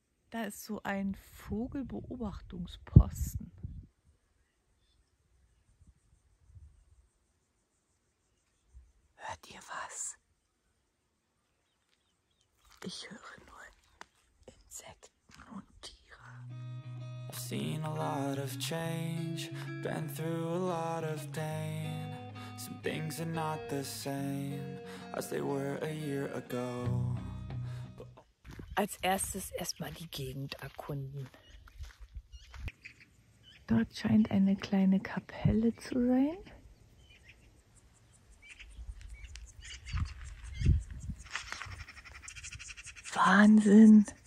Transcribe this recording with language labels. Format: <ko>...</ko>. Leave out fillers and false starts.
<de>Da ist so ein Vogelbeobachtungsposten. Hört ihr was? Ich höre nur Insekten und Tiere.</de> <en>I've seen a lot of change, been through a lot of pain. Some things are not the same as they were a year ago.</en> <de>Als erstes erstmal die Gegend erkunden. Dort scheint eine kleine Kapelle zu sein. Wahnsinn!</de>